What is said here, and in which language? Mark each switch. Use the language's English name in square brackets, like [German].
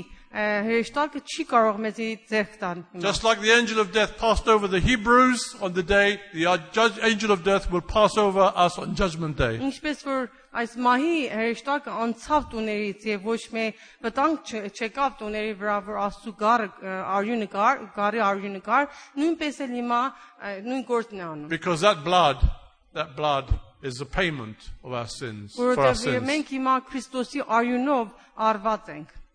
[Armenian] հրեշտակը չի կարող մեզի ձեռք տան։ [English] Just like the angel of death passed over the Hebrews on the day, the angel of death will pass over us on judgment day. [Armenian] Ինչպես որ այս մահի հրեշտակը անցավ տուներից եւ ոչ մի վտանգ չեկավ տուների վրա, որ Աստծո գառը արյունը կար, գառի արյունը կար, նույնպես էլ հիմա նույն գործն է անում։ [English] Because that blood is the payment of our sins, for our sins. [Armenian] Որովհետեւ մենք հիմա Քրիստոսի արյունով արված ենք։